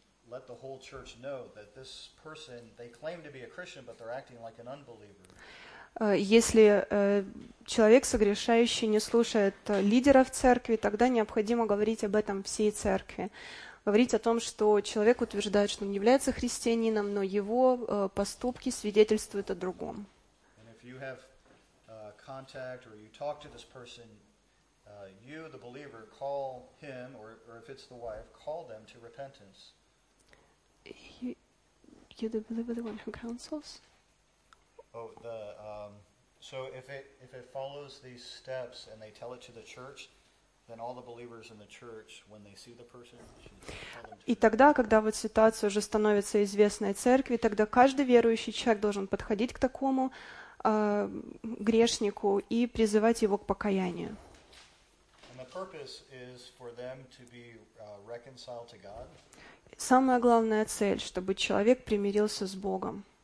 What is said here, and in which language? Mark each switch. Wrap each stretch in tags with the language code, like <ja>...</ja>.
<en>Let the whole church know that this person, they claim to be a Christian, but they're acting like an unbeliever.</en> <ru>Если человек согрешающий не слушает лидеров церкви, тогда необходимо говорить об этом всей церкви. Говорить о том, что человек утверждает, что он является христианином, но его поступки свидетельствуют о другом.</ru> <en>And if you have contact or you talk to this person, you, the believer, call him, or if it's the wife, call them to repentance. You the believer, the one who counsels. Oh, the so if it follows these steps and they tell it to the church, then all the believers in the church, when they see the person, should tell them to.</en> <ru>И тогда, когда вот ситуация уже становится известной церкви, тогда каждый верующий человек должен подходить к такому грешнику и призывать его к покаянию.</ru> <en>And the purpose is for them to be reconciled to God.</en> <ru>Самая главная цель, чтобы человек примирился с Богом.</ru>